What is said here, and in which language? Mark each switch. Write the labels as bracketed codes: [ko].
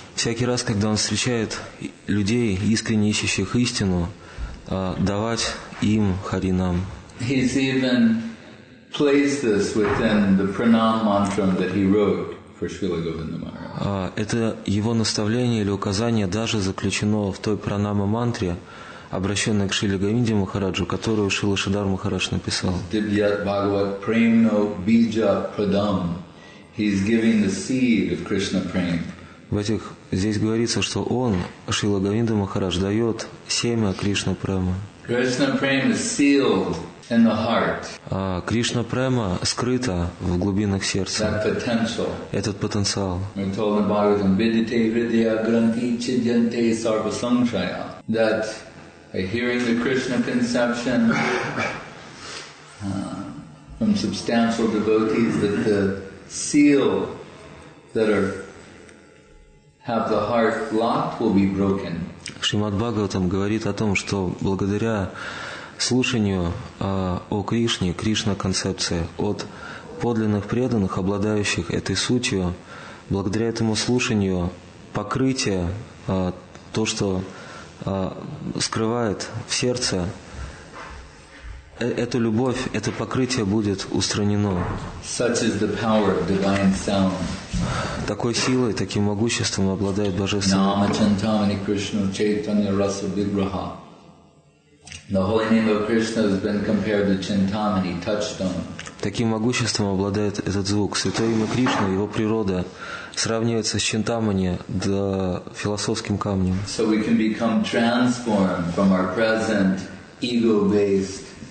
[ru] Всякий раз, когда он встречает людей, искренне ищущих истину, давать им Харинам. [en] He's even placed this within the pranam mantra that he wrote for Srila Govinda Maharaj. [ru] Это его наставление или указание даже заключено в той пранама мантре, обращенной к Шриле Говинде Махараджу, которую Шрила Шадар Махарадж написал. [sa] Дибьят Бхагават Премно Биджа Прадам. [en] He's giving the seed of Krishna Prem. [ru] В этих здесь говорится, что он, Шрила Говинда Махарадж, дает семя Кришна Према. [en] Krishna Prem is sealed in the heart. [ru] Кришна Према скрыта в глубинах сердца. [en] That potential. [ru] Этот потенциал. [en] We told the [sa] Bhagavatam Vidite Vidya Granti Chidyante Sarva Sangshaya. [en] That by hearing the Krishna conception from substantial devotees, that the seal that are have the heart locked will be broken. [ru] Шримад Бхагаватам говорит о том, что благодаря слушанию о Кришне, Кришна концепции от подлинных преданных, обладающих этой сутью, благодаря этому слушанию покрытие, то, что скрывает в сердце, эту любовь, это покрытие будет устранено. [en] Such is the power of divine sound. [ru] Такой силой, таким могуществом обладает Божественный. [sa] Нама Чантамани Кришна Чайтанья Раса Виграха. [en] The holy name of Krishna has been compared to Чантамани, touchstone. [ru] Таким могуществом обладает этот звук. Святое имя Кришна, его природа сравнивается с Чинтамани, да, философским камнем. [en] So we can become transformed from our present ego-based